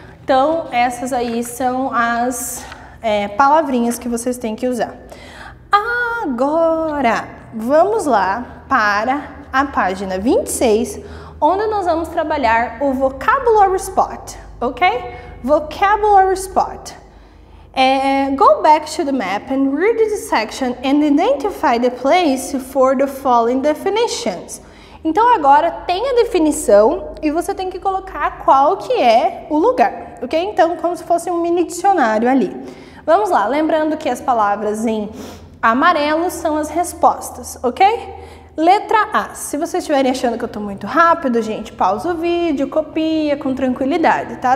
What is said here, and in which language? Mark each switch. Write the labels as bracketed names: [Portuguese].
[Portuguese] Então, essas aí são as palavrinhas que vocês têm que usar. Agora, vamos lá para a página 26, onde nós vamos trabalhar o vocabulary spot, ok? [English] Vocabulary spot. Go back to the map and read the section and identify the place for the following definitions. [Portuguese] Então, agora tem a definição e você tem que colocar qual que é o lugar, ok? Então, como se fosse um mini dicionário ali. Vamos lá, lembrando que as palavras em amarelo são as respostas, ok? Letra A. Se vocês estiverem achando que eu tô muito rápido, gente, pausa o vídeo, copia com tranquilidade, tá?